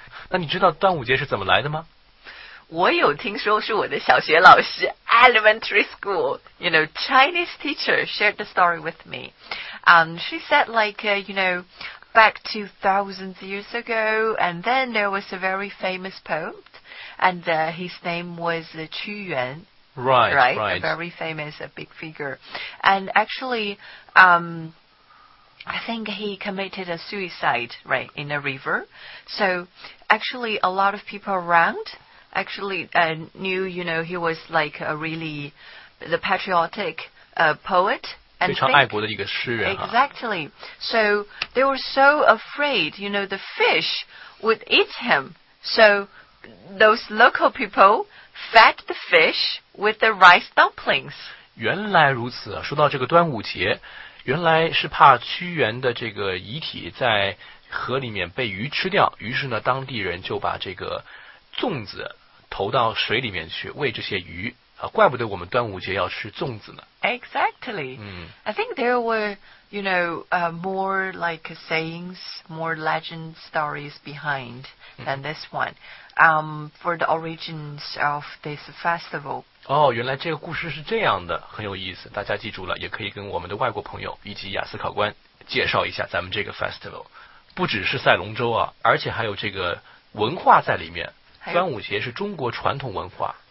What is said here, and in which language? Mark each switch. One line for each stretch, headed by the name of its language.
Chinese: 那你知道端午节是怎么来的吗？我有听说是我的小学老师
English: elementary school, you know, Chinese teacher shared the story with me. And she said you know, back 2000 years ago, and then there was a very famous poem, and his name was Qu Yuan. Right. A very famous, a big figure. And actually, I think he committed a suicide, right, in a river. So actually a lot of people around actually knew, you know, he was the patriotic poet. And think,
Chinese: 非常爱国的一个诗人,
English: exactly. So they were so afraid, you know, the fish would eat him. So those local people fed the fish with the rice dumplings.
Chinese: 原来如此，说到这个端午节，原来是怕屈原的这个遗体在河里面被鱼吃掉，于是呢，当地人就把这个粽子投到水里面去喂这些鱼。怪不得我们端午节要吃粽子呢。
English: Exactly. I think there were, you know, more like sayings, more legend stories behind than this one. For the origins of this festival.
Chinese: 哦，原来这个故事是这样的，很有意思。大家记住了，也可以跟我们的外国朋友以及雅思考官介绍一下咱们这个 festival。不只是赛龙舟啊，而且还有这个文化在里面。端午节是中国传统文化。